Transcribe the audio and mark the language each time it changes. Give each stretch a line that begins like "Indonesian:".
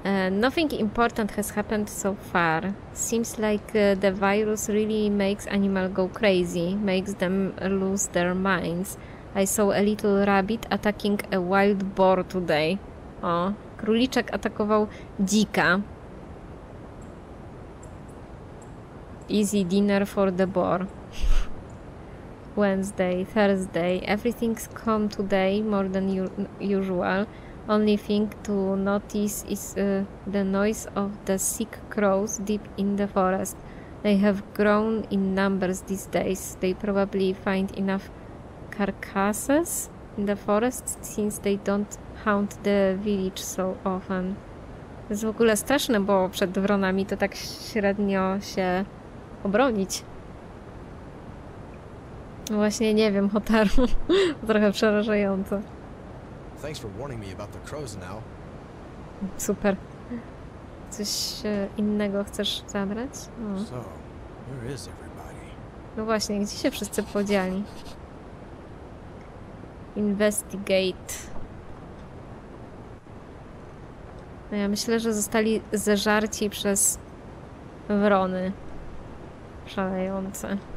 English: Nothing important has happened so far. Seems like the virus really makes animals go crazy, makes them lose their minds. I saw a little rabbit attacking a wild boar today.
Polish: O, króliczek atakował dzika.
English: Easy dinner for the boar. Wednesday, Thursday, everything's calm today, more than usual. Only thing to notice is the noise of the sick crows deep in the forest. They have grown in numbers these days. They probably find enough carcasses in the forest since they don't haunt the village so often.
Polish: To jest w ogóle straszne, bo przed wronami to tak średnio się obronić. Właśnie nie wiem, Hotaru. Trochę przerażająco.
English: Thanks for warning me about the crows now.
Polish: Super. Coś innego chcesz zabrać?
English: So, where is everybody?
Polish: No właśnie, gdzie się wszyscy podzieli?
English: Investigate.
Polish: No ja myślę, że zostali zeżarci przez wrony. Szalejące.